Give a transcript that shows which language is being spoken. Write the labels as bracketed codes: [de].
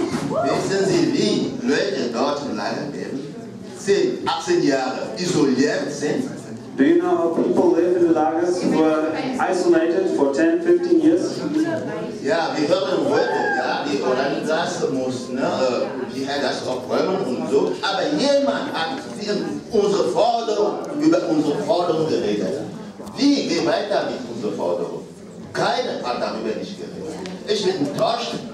[de] Wissen Sie, wie Leute dort im Lager leben? 10, 18 Jahre isoliert sind? [en] Do you know how people live in the lagers who are isolated for 10, 15 years? [de] Ja, wir hören heute, ja, die Organisation muss, ne, die hat das auch räumen und so, aber jemand hat unsere Forderung, über unsere Forderung geredet. Wie gehen wir weiter mit unserer Forderung? Keiner hat darüber nicht geredet. Ich bin enttäuscht.